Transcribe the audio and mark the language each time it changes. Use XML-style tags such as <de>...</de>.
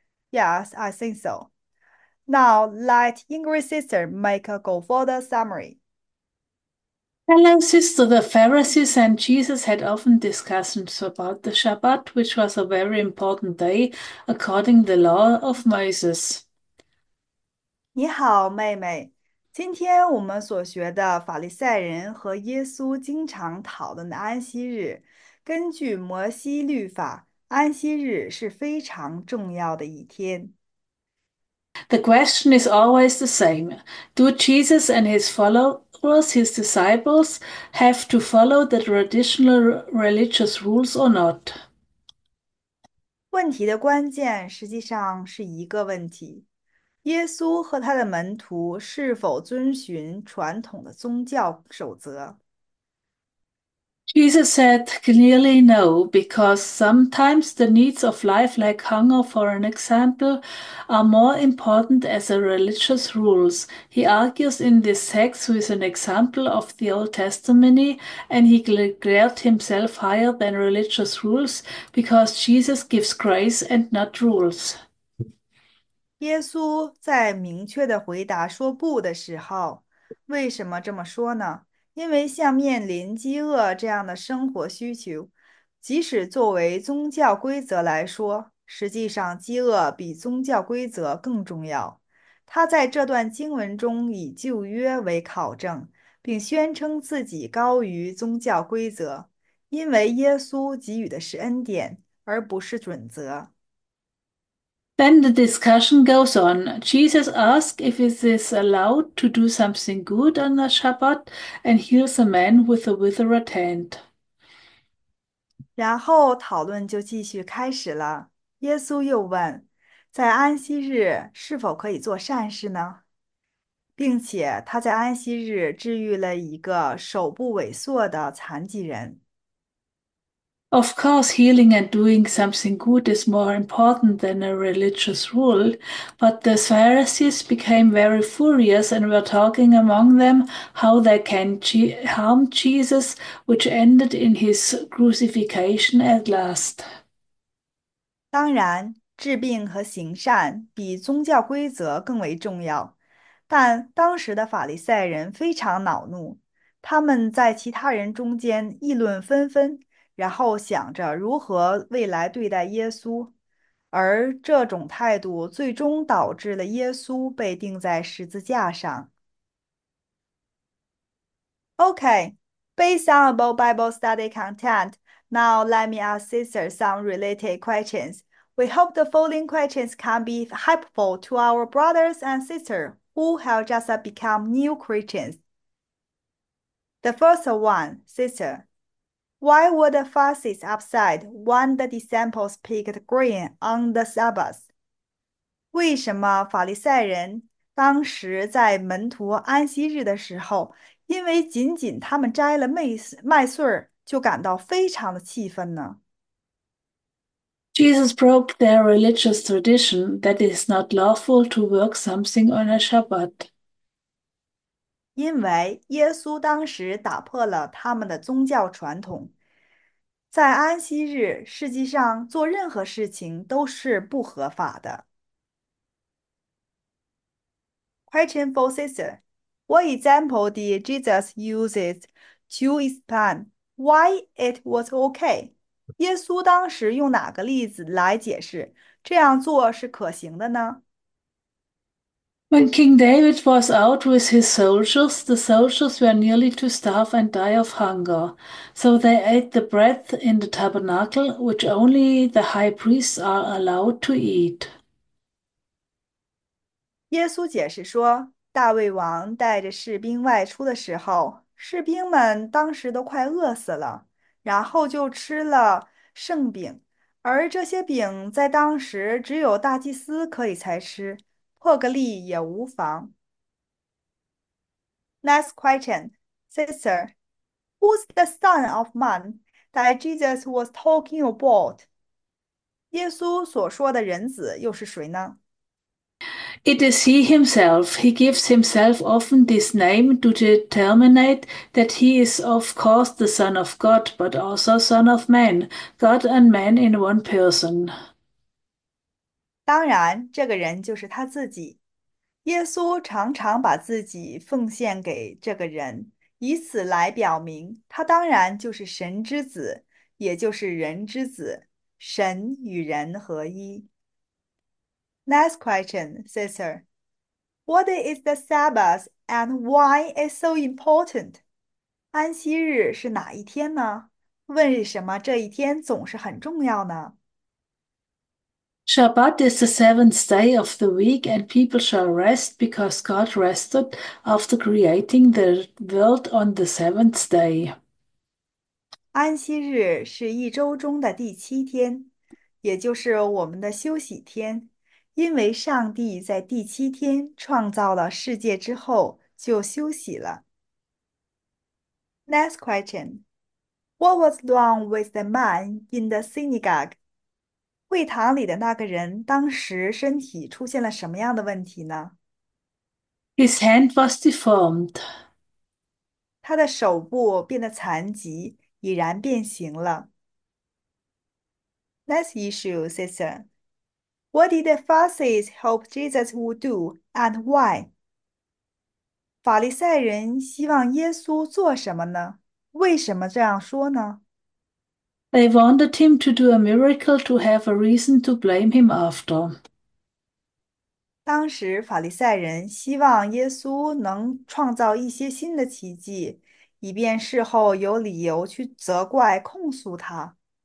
<en>Yes, I think so. Now, let English sister make a go for the summary. Hello, sister. The Pharisees and Jesus had often discussions about the Shabbat, which was a very important day according to the law of Moses.</en> <zh>你好，妹妹。今天我们所学的法利赛人和耶稣经常讨论的安息日，根据摩西律法，安息日是非常重要的一天。</zh> <en>The question is always the same. Do Jesus and his followers, his disciples, have to follow the traditional religious rules or not?</en> <zh>问题的关键实际上是一个问题：耶稣和他的门徒是否遵循传统的宗教守则？</zh> <en>Jesus said clearly no, because sometimes the needs of life, like hunger, for an example, are more important as a religious rules. He argues in this text with an example of the Old Testament, and he declared himself higher than religious rules because Jesus gives grace and not rules.</en> <zh>耶稣在明确地回答说不的时候，为什么这么说呢？因为像面临饥饿这样的生活需求，即使作为宗教规则来说，实际上饥饿比宗教规则更重要。他在这段经文中以旧约为考证，并宣称自己高于宗教规则，因为耶稣给予的是恩典，而不是准则。</zh> <en>Then the discussion goes on. Jesus asks if it is allowed to do something good on the Shabbat and heals a man with a withered hand.</en> <zh>然后讨论就继续开始了。耶稣又问，在安息日是否可以做善事呢？并且他在安息日治愈了一个手部萎缩的残疾人。</zh> <en>Of course, healing and doing something good is more important than a religious rule, but the Pharisees became very furious and were talking among them how they can harm Jesus, which ended in his crucifixion at last.</en> <zh>当然，治病和行善比宗教规则更为重要，但当时的法利赛人非常恼怒，他们在其他人中间议论纷纷，然后想着如何未来对待耶稣，而这种态度最终导致了耶稣被钉在十字架上。</zh> <en>Okay, based on above Bible study content, now let me ask sisters some related questions. We hope the following questions can be helpful to our brothers and sisters who have just become new Christians. The first one, sister, why were the Pharisees upset when the disciples picked grain on the Sabbath?</en> <zh>为什么法利赛人当时在门徒安息日的时候，因为仅仅他们摘了麦穗儿，就感到非常的气愤呢？</zh> <en>Jesus broke their religious tradition that it is not lawful to work something on a Shabbat.</en> <zh>因为耶稣当时打破了他们的宗教传统，在安息日，实际上做任何事情都是不合法的。</zh> <en>Question for sister: What example did Jesus use to explain why it was okay?</en> <zh>耶稣当时用哪个例子来解释这样做是可行的呢？</zh> <en>When King David was out with his soldiers, the soldiers were nearly to starve and die of hunger. So they ate the bread in the tabernacle, which only the high priests are allowed to eat.</en> <zh>耶稣解释说，大卫王带着士兵外出的时候，士兵们当时都快饿死了，然后就吃了剩饼，而这些饼在当时只有大祭司可以才吃，破个例也无妨。</zh> <en>Next question, sister, who's the son of man that Jesus was talking about?</en> <zh>耶稣所说的人子又是谁呢？</zh> <en>It is he himself. He gives himself often this name to determine that he is, of course, the Son of God, but also Son of Man, God and man in one person.</en> <zh>当然，这个人就是他自己。耶稣常常把自己奉献给这个人，以此来表明他当然就是神之子，也就是人之子，神与人合一。</zh> <en>Next question, sister. What is the Sabbath and why is so important?</en> <zh>安息日是哪一天呢？为什么这一天总是很重要呢？</zh> <en>Shabbat is the seventh day of the week, and people shall rest because God rested after creating the world on the seventh day.</en> <zh>安息日是一周中的第七天，也就是我们的休息天。因为上帝在第七天创造了世界之后就休息了。</zh> <en>Next question: What was wrong with the man in the synagogue?</en> <zh>会堂里的那个人当时身体出现了什么样的问题呢？</zh> <en>His hand was deformed.</en> <zh>他的手部变得残疾，已然变形了。</zh> <en>Next issue, sister. What did the Pharisees hope Jesus would do and why?</en> <zh>法利赛人希望耶稣做什么呢？为什么这样说呢？</zh> <en>They wanted him to do a miracle to have a reason to blame him after.</en> <zh>当时法利赛人希望耶稣能创造一些新的奇迹，以便事后有理由去责怪、控诉他。</zh>